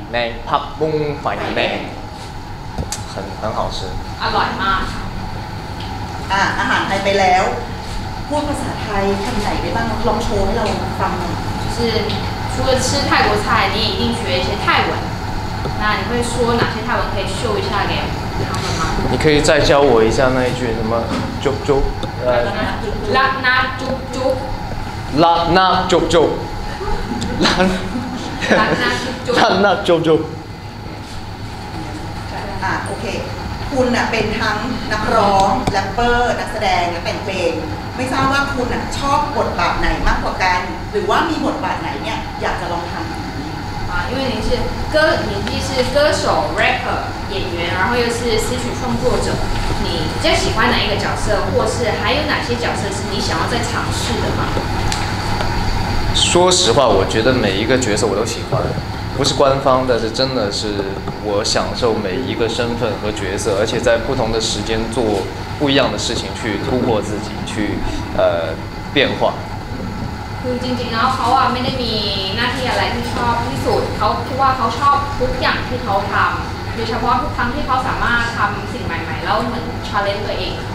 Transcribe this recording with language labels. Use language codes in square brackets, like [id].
[zh] Dang Pop Moon Fine Dang 很好吃 [th] อร่อยมาก อาหารไทยไปแล้วพูดภาษาไทยคำไหนได้บ้างลองโชว์ให้เราฟังหน่อย [zh] 就是除了吃泰国菜你一定学一些泰文那你会说哪些泰文可以秀一下给你可以再教我一下那一句什么啾啾拉拉啾啾拉那啾啾，拉那啾啾，拉那啾啾。 [th] OK， คุณเป็นทั้งนักร้องแรปเปอร์นักแสดงและแต่งเพลงไม่ทราบว่าคุณชอบบทบาทไหนมากกว่ากันหรือว่ามีบทบาทไหนเนี่ยอยากจะลองทำ [zh] 吗？因为您是歌，您既是歌手、rapper、演员，然后又是词曲创作者，你比较喜欢哪一个角色，或是还有哪些角色是你想要再尝试的吗？说实话，我觉得每一个角色我都喜欢，不是官方，但是真的是我享受每一个身份和角色，而且在不同的时间做不一样的事情，去突破自己，去变化。 [th] จริงๆแล้วเขาอ่ะไม่ได้มีหน้าที่อะไรที่ชอบที่สุดเขาคิดว่าเขาชอบทุกอย่างที่เขาทำโดยเฉพาะทุกครั้งที่เขาสามารถทำสิ่งใหม่ๆแล้วเหมือนชาเลนจ์ตัวเอง